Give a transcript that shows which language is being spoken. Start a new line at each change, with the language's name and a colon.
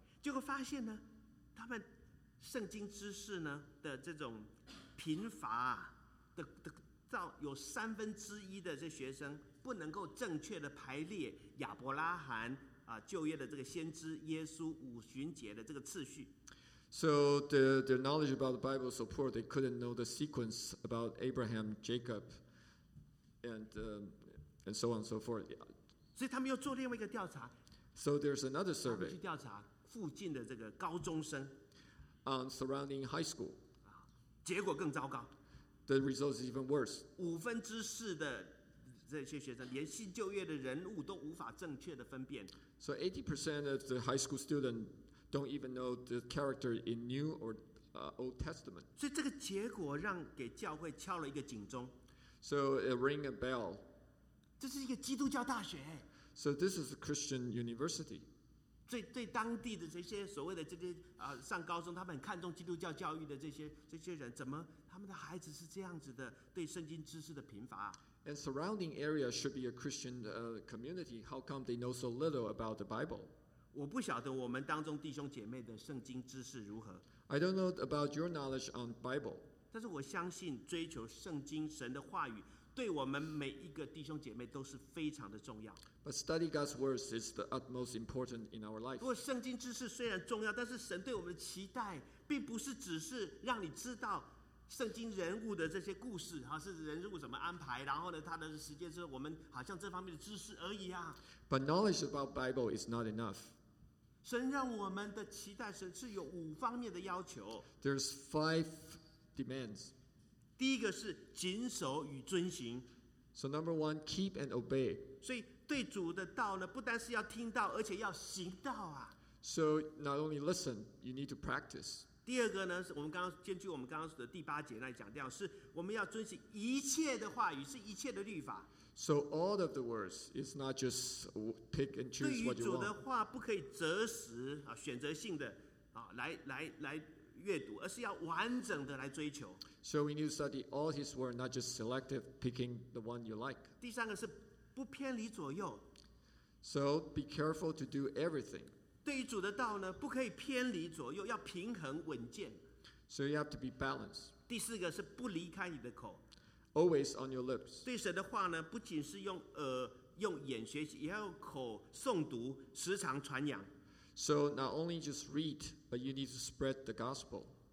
Chinese: 结果发现呢，他们圣经知识呢的这种贫乏啊，到有三分之一的这学生不能够正确的排列亚伯拉罕啊旧约的这个先知耶稣五旬节的这个次序。
English: So their knowledge about the Bible is so poor they couldn't know the sequence about Abraham, Jacob, and so on and so forth.
Chinese: 所以他们又做另外一个调查。
English: So there's another survey.
Chinese: 他们去调查附近的这个高中生。
English: Surrounding high school.
Chinese: 结果更糟糕。
English: The results is even worse.
Chinese: 五分之四的这些学生连新旧约的人物都无法正确的分辨。
English: So 80% of the high school student don't even know the character in New or Old Testament.
Chinese: 所以这个结果让给教会敲了一个警钟。
English: So it rang a bell.
Chinese: 这是一个基督教大学。
English: So this is a Christian university.
Chinese: 所以对当地的这些所谓的这些上高中，他们很看重基督教教育的这些人，怎么？他们的孩子是这样子的，对圣经知识的贫乏。
English: And surrounding area should be a Christian community. How come they know so little about the Bible?
Chinese: 我不晓得我们当中弟兄姐妹的圣经知识如何。
English: I don't know about your knowledge on Bible.
Chinese: 但是我相信追求圣经神的话语对我们每一个弟兄姐妹都是非常的重要。
English: But study God's words is the utmost important in our life.
Chinese: 不过圣经知识虽然重要，但是神对我们的期待并不是只是让你知道圣经人物的这些故事，是人物怎么安排，然后呢，他的时间是我们好像这方面的知识而已啊。
English: But knowledge about Bible is not enough.
Chinese: 神让我们的期待，神是有五方面的要求。
English: There's five demands.
Chinese: 第一个是谨守与遵行。
English: So number one, keep and obey.
Chinese: 所以对主的道呢，不单是要听到，而且要行道啊。
English: So not only listen, you need to practice.
Chinese: 第二个呢，是我们刚刚根据我们刚刚的第八节来讲掉，是我们要遵循一切的话语，是一切的律法。
English: So all of the words is not just pick and choose what you want.
Chinese: 对于主的话，不可以择时啊，选择性的啊，来阅读，而是要完整的来追求。
English: So we need to study all His word, not just selective picking the one you like.
Chinese: 第三个是不偏离左右。
English: So be careful to do everything.
Chinese: 对于主的道呢，不可以偏离左右，要平衡稳健。
English: So you have to be balanced.
Chinese: 第四个是不离开你的口。
English: Always on your lips.
Chinese: 对神的话呢，不仅是用耳、用眼学习，也要用口诵读，时常传扬。
English: So not only just read, but you need to spread the gospel.